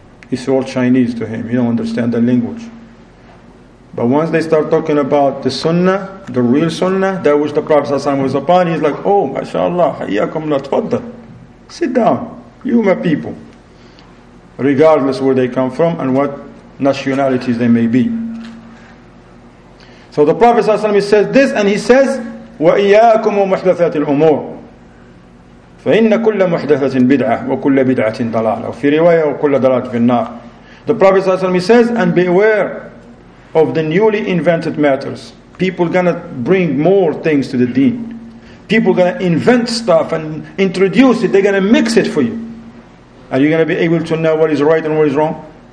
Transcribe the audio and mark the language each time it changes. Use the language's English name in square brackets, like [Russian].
[English] It's all Chinese to him. He don't understand the language. But once they start talking about the sunnah, the real sunnah, that which the Prophet ﷺ was upon, he's like, oh, mashallah, [Arabic] hayyakum la tfaddal. [English] Sit down, you my people. Regardless where they come from and what nationalities they may be. So the Prophet ﷺ, he says this, and he says, [Arabic] وَإِيَّاكُمْ وَمُحْدَثَاتِ الْأُمُورِ فَإِنَّ كُلَّ مُحْدَثَةٍ بِدْعَةٍ وَكُلَّ بِدْعَةٍ ضَلَالَةٍ فِي رِوَيَةٍ وَكُلَّ ضَلَالَةٍ فِي النَّارِ. [English] The Prophet ﷺ, he says, and beware of the newly invented matters. People gonna bring more things to the deen. People gonna invent stuff and introduce it. They're gonna mix it for you. Are you gonna be able to know what is right and what is wrong?